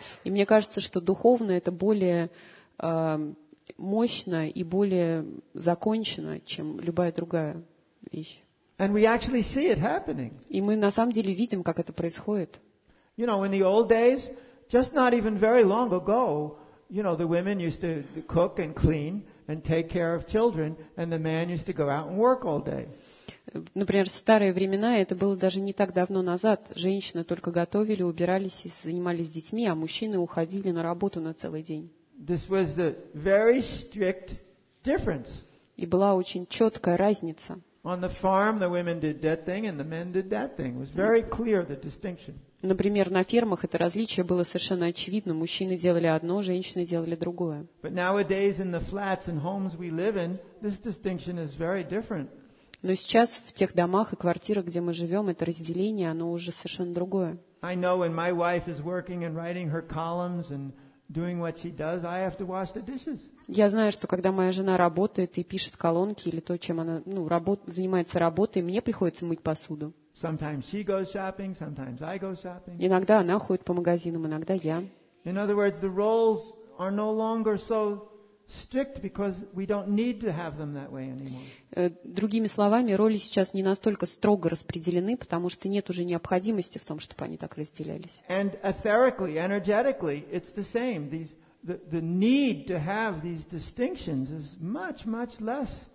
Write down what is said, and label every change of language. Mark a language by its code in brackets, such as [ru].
[ru] И мне кажется, что духовно это более мощно и более закончено, чем любая другая вещь. [en] And we actually see it happening. [ru] И мы на самом деле видим, как это происходит. [en] You know, in the old days, just not even very long ago, you know, the women used to cook and clean and take care of children, and the man used to go out and work all day. [ru] Например, в старые времена, это было даже не так давно назад, женщины только готовили, убирались и занимались детьми, а мужчины уходили на работу на целый день. [en] This was the very strict difference. [ru] И была очень четкая разница. [en] On the farm, the women did that thing, and the men did that thing. It was very clear, the distinction. [ru] Например, на фермах это различие было совершенно очевидно. Мужчины делали одно, женщины делали другое. [en] But nowadays in the flats and homes we live in, this distinction is very different. [ru] Но сейчас в тех домах и квартирах, где мы живем, это разделение, оно уже совершенно другое. [en] I know when my wife is working and writing her columns and doing what she does, I have to wash the dishes. [ru] Я знаю, что когда моя жена работает и пишет колонки или то, чем она, ну, занимается работой, мне приходится мыть посуду. [en] Sometimes she goes shopping, sometimes I go shopping. [ru] Иногда она ходит по магазинам, иногда я. [en] In other words, the roles are no longer so strict because we don't need to have them that way anymore. [ru] Другими словами, роли сейчас не настолько строго распределены, потому что нет уже необходимости в том, чтобы они так разделялись. [en] And etherically, energetically, it's the same. The need to have these distinctions is much, much less.